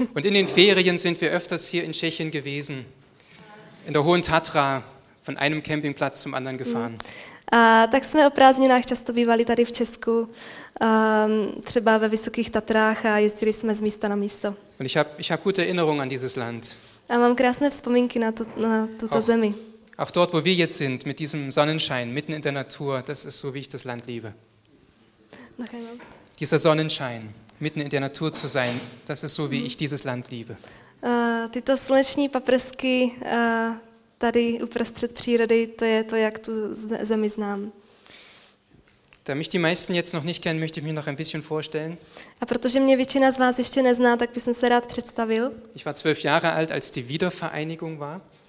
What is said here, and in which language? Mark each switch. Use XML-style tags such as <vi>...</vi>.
<de>ja. Und in den Ferien sind wir öfters hier in Tschechien gewesen, in der Hohen Tatra, von einem Campingplatz zum anderen gefahren.</de> <cs>Tak jsme o prázdninách často bývali tady v Česku, třeba ve Vysokých Tatrách a jezdili jsme z místa na místo.</cs> <de>Und ich hab gute Erinnerung an dieses Land.</de> <cs>A mám krásné vzpomínky na tuto zemi.</cs> <de>Auch dort, wo wir jetzt sind, mit diesem Sonnenschein, mitten in der Natur, das ist so, wie ich das Land liebe. Noch einmal. Dieser Sonnenschein, mitten in der Natur zu sein, das ist so, wie ich dieses Land liebe.</de> <cs>Tyto sluneční paprsky tady uprostřed přírody, to je to, jak tu zemi znám.</cs> <de>Da mich die meisten jetzt noch nicht kennen, möchte ich mich noch ein bisschen vorstellen.</de> <cs>A protože mě většina z vás ještě nezná, tak bych se rád představil.</cs> <de>Ich war 12 Jahre alt, als die Wiedervereinigung war.</de>